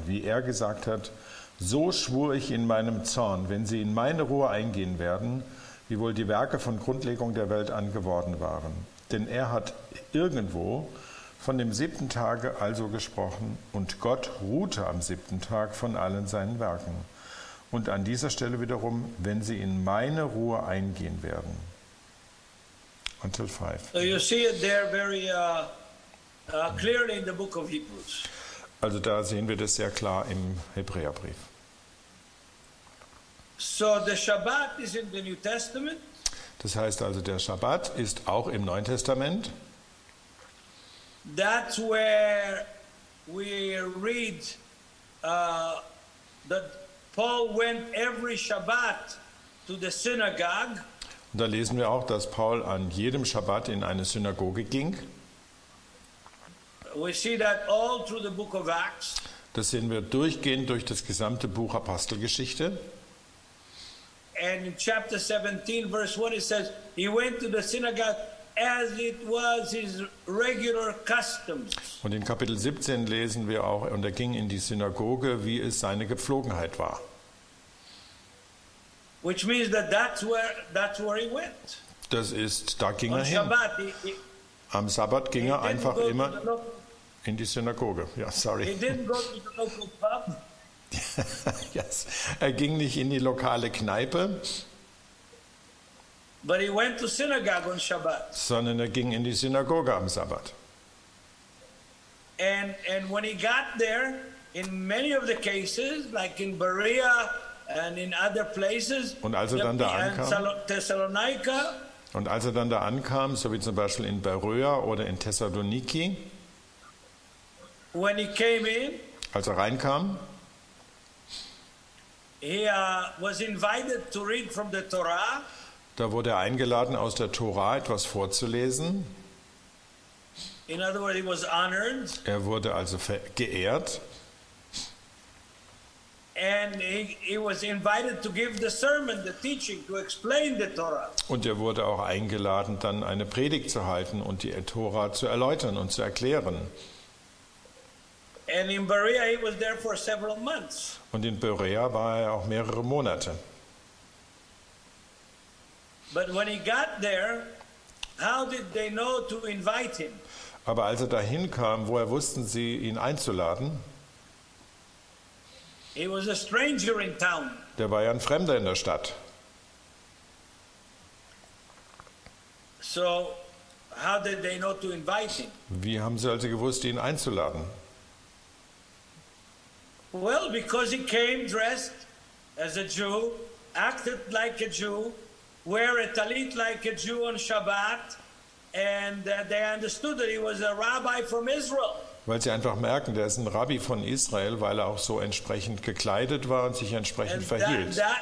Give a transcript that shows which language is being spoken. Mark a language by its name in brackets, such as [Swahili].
[German] Wie er gesagt hat, so schwur ich in meinem Zorn, wenn sie in meine Ruhe eingehen werden, wie wohl die Werke von Grundlegung der Welt an geworden waren. Denn er hat irgendwo von dem siebten Tage also gesprochen, und Gott ruhte am siebten Tag von allen seinen Werken. Und an dieser Stelle wiederum, wenn sie in meine Ruhe eingehen werden. [English] Until 5. So you see it there very clearly in the book of Hebrews. [German] Also da sehen wir das sehr klar im Hebräerbrief. [English] So the Shabbat is in the New Testament. [German] Das heißt also, der Shabbat ist auch im Neuen Testament. [English] That's where we read that Paul went every Shabbat to the synagogue. [German] Und da lesen wir auch, dass Paul an jedem Shabbat in eine Synagoge ging. [English] We see that all through the book of Acts. [German] Das sehen wir durchgehend durch das gesamte Buch Apostelgeschichte. [English] And in chapter 17, verse 1, it says, he went to the synagogue as it was his regular custom. [German] Und in Kapitel 17 lesen wir auch, und er ging in die Synagoge, wie es seine Gepflogenheit war. [English] Which means that that's where he went. [German] Das ist, da ging [English] on [German] er hin. [English] Shabbat, [German] am Sabbat ging er einfach immer in die Synagoge. Ja, sorry. [English] He didn't go to the local pub. Yes. [German] Er ging nicht in die lokale Kneipe, [English] but he went to synagogue on Shabbat. [German] Sondern er ging in die Synagoge am Sabbat. [English] And when he got there, in many of the cases, like in Berea and in other places, [German] und als er dann da ankam, [English] Thessalonica, [German] und als er dann da ankam, so wie zum Beispiel in Berea oder in Thessaloniki, [English] when he came in, [German] als er reinkam, [English] he was invited to read from the Torah. [German] Da wurde er eingeladen, aus der Tora etwas vorzulesen. [English] In other words, he was honored. [German] Er wurde also geehrt. [English] And he was invited to give the sermon, the teaching, to explain the Torah. [German] Und er wurde auch eingeladen, dann eine Predigt zu halten und die Tora zu erläutern und zu erklären. [English] And in Berea, he was there for several months. [German] Und in Berea war er auch mehrere Monate. [English] But when he got there, how did they know to invite him? [German] Aber als er dahin kam, woher wussten sie, ihn einzuladen? [English] He was a stranger in town. [German] Der war ja ein Fremder in der Stadt. [English] So, how did they know to invite him? [German] Wie haben sie also gewusst, ihn einzuladen? [English] Well, because he came dressed as a Jew, acted like a Jew, wear a talit like a Jew on Shabbat, and they understood that he was a rabbi from Israel. [German] Weil sie einfach merken, der ist ein Rabbi von Israel, weil er auch so entsprechend gekleidet war und sich entsprechend verhielt.